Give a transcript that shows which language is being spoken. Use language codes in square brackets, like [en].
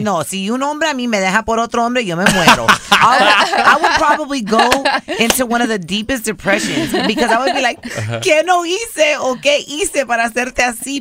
[en] I mean, [es] no, si un hombre a mí me deja por otro hombre, yo me muero. [en] I would probably go into one of the deepest depressions because I would be like, uh-huh. [es] ¿Qué no hice o qué hice para hacerte así?